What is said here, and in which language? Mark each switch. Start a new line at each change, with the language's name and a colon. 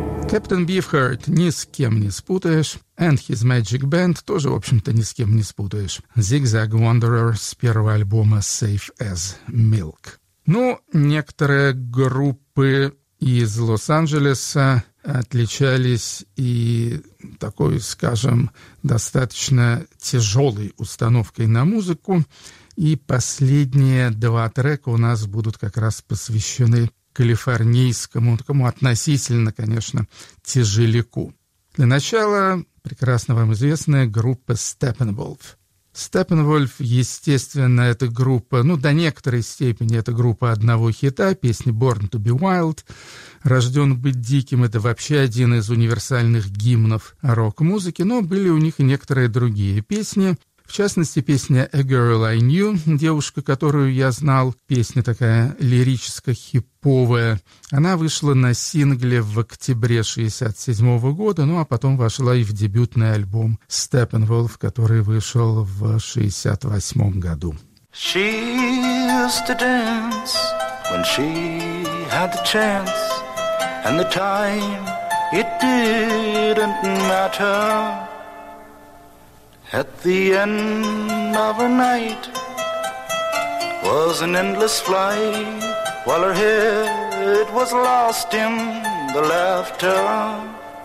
Russian: Кэптен Бифхарт ни с кем не спутаешь,
English: and his magic band
Russian: тоже, в общем-то, ни с кем не спутаешь. Zigzag Wanderer с первого альбома Safe as Milk. Ну, некоторые группы из Лос-Анджелеса отличались и такой, скажем, достаточно тяжелой установкой на музыку, и последние два трека у нас будут как раз посвящены калифорнийскому, такому относительно, конечно, тяжеляку. Для начала прекрасно вам известная группа Steppenwolf. Steppenwolf, естественно, это группа, ну, до некоторой степени это группа одного хита, песни «Born to be Wild», «Рожден быть диким» — это вообще один из универсальных гимнов рок-музыки, но были у них и некоторые другие песни. В частности, песня «A Girl I Knew», «Девушка, которую я знал», песня такая лирическо-хиповая, она вышла на сингле в октябре 67-го года, ну а потом вошла и в дебютный альбом «Steppenwolf», который вышел в 68-м году.
English: She used to dance when she had the chance, and the time it didn't matter. At the end of her night was an endless flight, while her head was lost in the laughter.